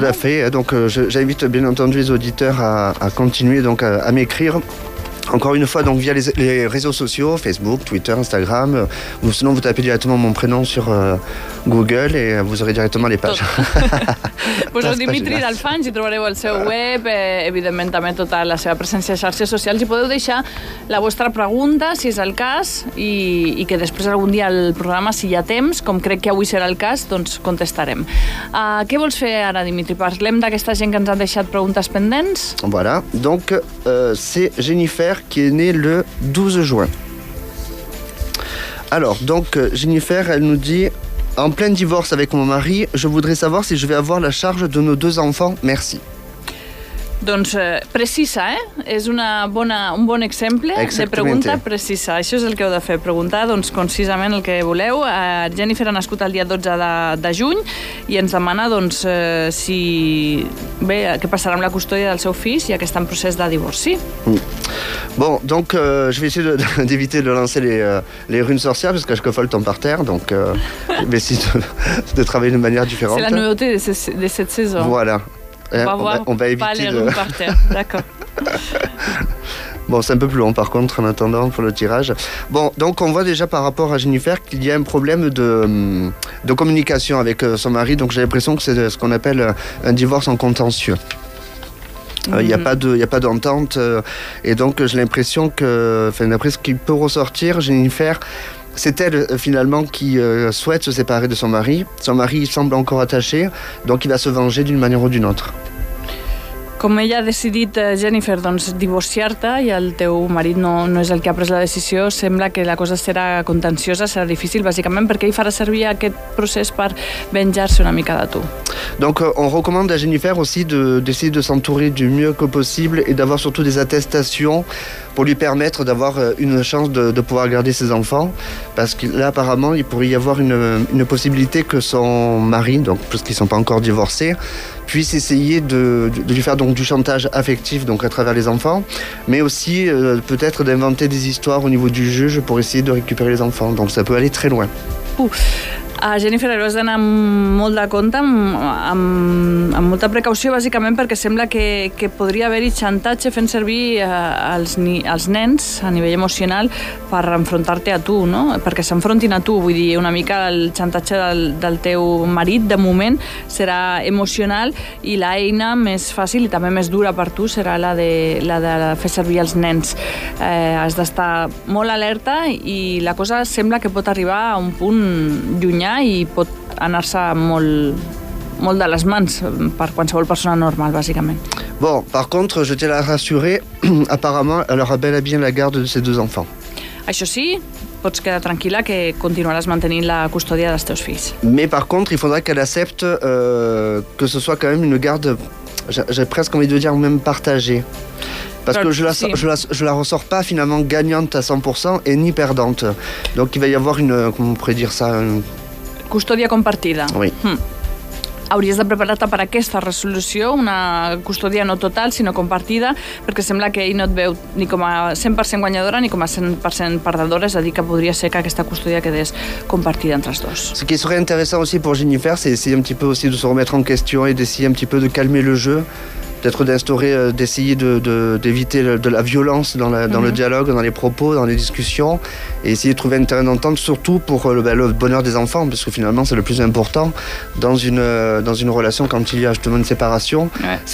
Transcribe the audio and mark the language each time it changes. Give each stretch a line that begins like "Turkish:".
French: Tout à fait, donc j'invite bien entendu les auditeurs à continuer donc à m'écrire. Encore une fois, donc via les réseaux sociaux, Facebook, Twitter, Instagram, ou sinon vous tapez directement mon prénom sur Google et vous aurez directement les pages. Vous êtes Dimitri Dalfanj, vous trouverez
Catalan: le seu web, évidemment, també tota la seva presència a xarxes socials, i podeu deixar la vostra pregunta, si és el cas, i que després algun dia al programa, si hi ha temps, com crec que avui serà el cas, doncs contestarem. Què vols fer ara, Dimitri? Parlem d'aquesta gent que ens ha deixat preguntes pendents?
French: Voilà, donc, c'est Jennifer, qui est née le 12 juin. Alors, donc, Jennifer, elle nous dit « En plein divorce avec mon mari, je voudrais savoir si je vais avoir la charge de nos deux enfants. Merci. »
Catalan: Doncs, precisa, eh? És una bona, un bon exemple.
Spanish: Exactamente.
Catalan: De pregunta precisa. Això és el que heu de fer, preguntar doncs, concisament el que voleu. Jennifer ha nascut el dia 12 de juny i ens demana doncs, si bé, què passarà amb la custòdia del seu fill, ja que està en procés de divorci.
French: Bon, donc, je vais essayer d'éviter de lancer les runes sorcières, parce que je cofole tombe par terre, donc je vais essayer de travailler de manière différente. C'est la nouveauté de cette saison. Voilà. On va éviter les runes par terre, d'accord. Bon, c'est un peu plus long, par contre, en attendant pour le tirage. Bon, donc, on voit déjà par rapport à Jennifer qu'il y a un problème de communication avec son mari, donc j'ai l'impression que c'est ce qu'on appelle un divorce en contentieux. Il n'y a pas d'entente et donc j'ai l'impression que, enfin, d'après ce qui peut ressortir, Jennifer, c'est elle finalement qui souhaite se séparer de son mari. Son mari semble encore attaché, donc il va se venger d'une manière ou d'une autre.
Catalan: Com ella ha decidit, Jennifer, doncs, divorciar-te i el teu marit no és el que ha pres la decisió, sembla que la cosa serà contenciosa, serà difícil, bàsicament, perquè ell farà servir aquest procés per venjar-se una mica de tu.
French: Donc, on recommande à Jennifer aussi d'essayer de s'entourer du mieux que possible et d'avoir surtout des attestations pour lui permettre d'avoir une chance de pouvoir garder ses enfants, parce que là apparemment il pourrait y avoir une possibilité que son mari, donc puisqu'ils sont pas encore divorcés, puisse essayer de lui faire donc du chantage affectif, donc à travers les enfants, mais aussi peut-être d'inventer des histoires au niveau du juge pour essayer de récupérer les enfants. Donc ça peut aller très loin.
Catalan: A Jennifer, has d'anar molt de compte, amb molta precaució, bàsicament perquè sembla que podria haver-hi xantatge fent servir els nens a nivell emocional per enfrontar-te a tu, no? Perquè s'enfrontin a tu, vull dir, una mica el xantatge del teu marit de moment serà emocional i l'eina més fàcil i també més dura per tu serà la de fer servir els nens. Has d'estar molt alerta i la cosa sembla que pot arribar a un punt llunyà i pot anar-se molt de les mans per qualsevol persona normal, bàsicament.
French: Bon, par contre, je tiens à rassurer, apparemment, elle aura bel et bien la garde de ses deux enfants.
Catalan: Això sí, pots quedar tranquil·la que continuaràs mantenint la custòdia dels teus fills.
French: Mais par contre, il faudra qu'elle accepte que ce soit quand même une garde, j'ai presque envie de dire même partagée. Parce que je la ressors pas finalement gagnante à 100% et ni perdante. Donc il va y avoir une, comment on pourrait dire ça, une
Catalan: custòdia compartida.
French: Oui.
Catalan: Hauries de preparar-te per aquesta resolució, una custòdia no total, sinó compartida, perquè sembla que ell no et veu ni com a 100% guanyadora ni com a 100% perdedora, és a dir, que podria ser que aquesta custòdia quedés compartida entre els dos.
French: Ce qui serait intéressant aussi pour Jennifer, c'est essayer un petit peu aussi de se remettre en question et d'essayer un petit peu de calmer le jeu, peut-être d'instaurer, d'essayer d'éviter de la violence dans, la, dans le dialogue, dans les propos, dans les discussions, et essayer de trouver un terrain d'entente, surtout pour le bonheur des enfants, parce que finalement, c'est le plus important dans une relation, quand il y a justement une séparation, ouais.